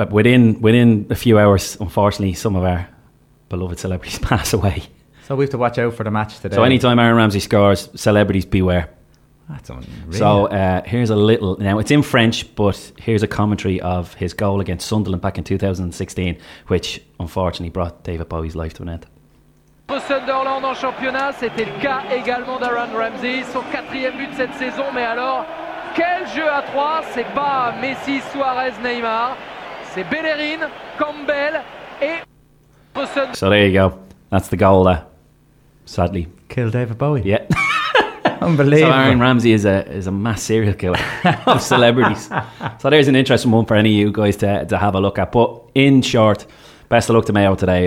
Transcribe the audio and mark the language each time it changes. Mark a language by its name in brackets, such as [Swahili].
[English] But within a few hours, unfortunately, some of our beloved celebrities pass away. So we have to watch out for the match today. So anytime Aaron Ramsey scores, celebrities beware. That's unreal. So here's a little... Now, it's in French, but here's a commentary of his goal against Sunderland back in 2016, which unfortunately brought David Bowie's life to an end. [French] For Sunderland en championnat, c'était le cas également d'Aaron Ramsey, son quatrième but cette saison. Mais alors, quel jeu à trois! C'est pas Messi, Suarez, Neymar. C'est Bellerin, Campbell et... [English] So there you go. That's the goal there, sadly. Kill David Bowie. Yeah. Unbelievable. So Aaron Ramsey is a mass serial killer of celebrities. So there's an interesting one for any of you guys to have a look at. But in short, best of luck to Mayo today.